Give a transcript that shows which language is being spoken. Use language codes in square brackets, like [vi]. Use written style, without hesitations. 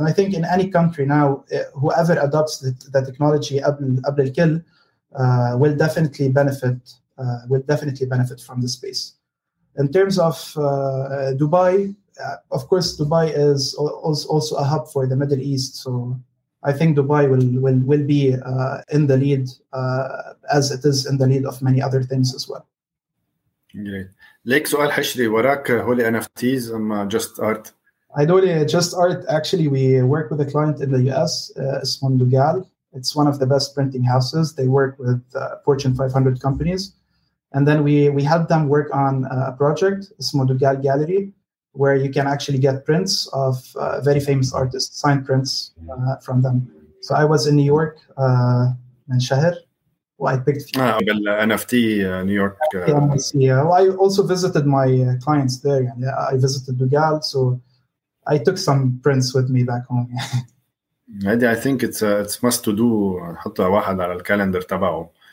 [en] And I think in any country now, whoever adopts the technology [ar] قبل الكل [en] will definitely benefit from the space. In terms of Dubai, of course, Dubai is also a hub for the Middle East. So I think Dubai will be in the lead, as it is in the lead of many other things as well. Great. [ar] ليك سؤال حشري, وراك هولي NFTs أم [en] just art? Idolia, just art. Actually, we work with a client in the US, Esmond Dugal. It's one of the best printing houses. They work with Fortune 500 companies. And then we help them work on a project, Esmond Dugal Gallery, where you can actually get prints of very famous artists, signed prints from them. So I was in New York, in Shahir. Well, I picked NFT New York. Well, I also visited my clients there. And, I visited Dugal, so I took some prints with me back home. Yeah, I think it's must to do. [ar] حط واحد على الكالندر تبعه.